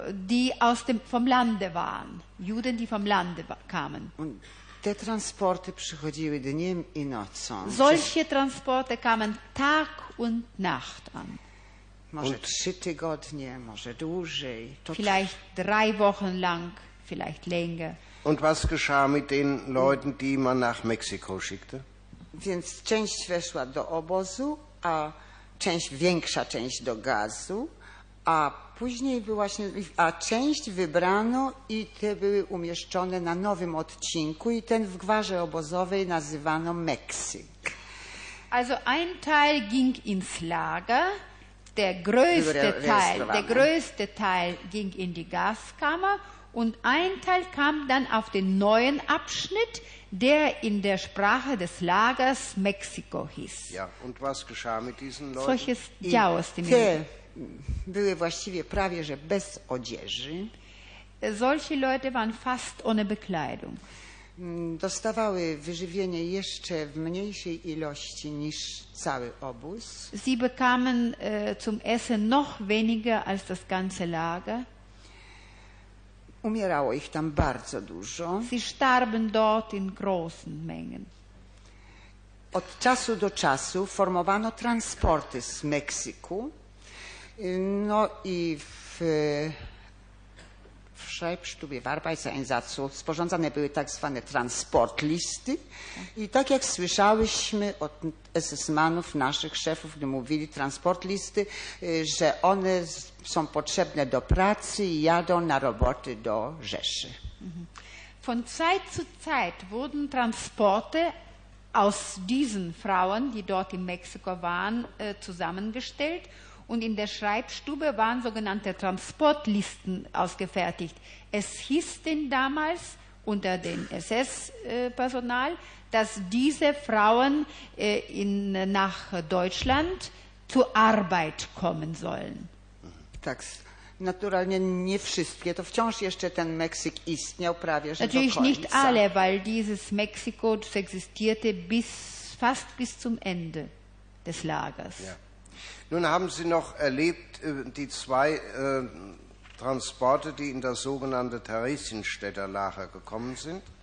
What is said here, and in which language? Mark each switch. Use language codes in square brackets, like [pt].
[de] Die aus dem, vom Lande waren, Juden, die vom Lande kamen. Und [pl] te transporty przychodziły dniem i nocą. [de] Solche Transporte kamen Tag und Nacht an. [pl] Może trzy tygodnie, może dłużej. [de] Vielleicht drei Wochen lang, vielleicht länger. Und was geschah mit den Leuten, die man nach Mexiko schickte? [pl] Więc część weszła do obozu, a część, większa część do gazu, a później właśnie, a część wybrano i te były umieszczone na nowym odcinku i ten w gwarze obozowej nazywano Meksyk. [de] Also ein Teil ging ins Lager. Der größte Teil ging in die Gaskammer und ein Teil kam dann auf den neuen Abschnitt, der in der Sprache des Lagers Mexiko hieß. Ja, und was geschah mit diesen Leuten? Solches Chaos. [pl] Te były właściwie prawie, że bez odzieży. [de] Solche Leute waren fast ohne Bekleidung. [pl] Dostawały wyżywienie jeszcze w mniejszej ilości niż cały obóz. [de] Sie bekamen zum Essen noch weniger als das ganze Lager. [pl] Umierało ich tam bardzo dużo. [de] Sie starben dort in großen Mengen. [pl] Od czasu do czasu formowano transporty z Meksyku. No i w Szepsztubie, w Arbeitseinsatzu sporządzane były tak zwane transportlisty i tak jak słyszałyśmy od SS-manów, naszych szefów, gdy mówili transportlisty, że one są potrzebne do pracy i jadą na roboty do Rzeszy. [de] Von Zeit zu Zeit wurden Transporte aus diesen Frauen, die dort in Mexiko waren, zusammengestellt. Und in der Schreibstube waren sogenannte Transportlisten ausgefertigt. Es hieß denn damals unter dem SS-Personal, dass diese Frauen nach Deutschland zur Arbeit kommen sollen. [pl] Tak, naturalnie nie wszystkie, to wciąż jeszcze ten Meksyk istniał prawie, że [de] natürlich [pl] do końca. [de] Nicht alle, weil dieses Mexiko existierte fast bis zum Ende des Lagers. Ja. Nun haben Sie noch erlebt, die zwei Transporte, die in das sogenannte Theresienstädter Lager gekommen sind?